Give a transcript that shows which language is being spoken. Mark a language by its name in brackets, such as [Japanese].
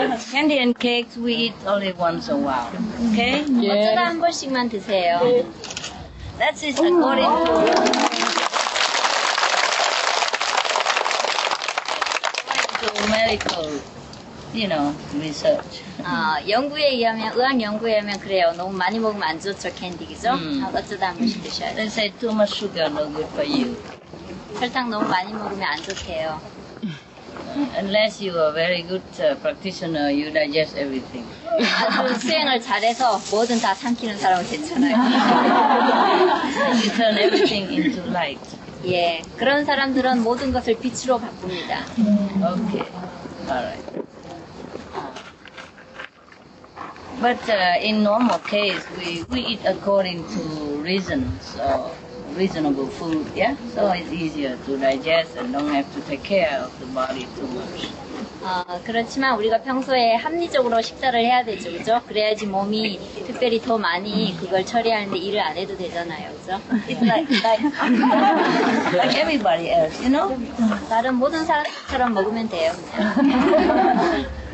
[English] Candy and cakes we eat only once a while. Okay? [Korean] 어쩌다 한 번씩만 드세요. [English] That's it. According to medical, you know, research. [Korean] 연구에 의하면 의학 연구에 의하면 그래요. 너무 많이 먹으면 안 좋죠 캔디 그죠? 어쩌다 한 번씩 드셔야 돼요. [English] They say too much sugar no good for you. [Korean] 설탕 너무 많이 먹으면 안 좋대요. [English] Unless you are a very good practitioner, you digest everything. [Korean] 아주 수행을 잘해서 뭐든 다 삼키는 사람은 괜찮아요. [English] You turn everything into light. [Korean] 예, 그런 사람들은 모든 것을 빛으로 바꿉니다. [English] Okay, alright. But in normal case, we eat according to reason, so reasonable food, yeah? So it's easier to digest and don't have to take care of the body too much. [Korean] 그렇지만 우리가 평소에 합리적으로 식사를 해야 되죠, 그죠? 그래야지 몸이 특별히 더 많이 그걸 처리하는데 일을 안 해도 되잖아요, 그죠? [English] It's like everybody else, you know? [Korean] 다른 모든 사람처럼 먹으면 돼요, 그냥.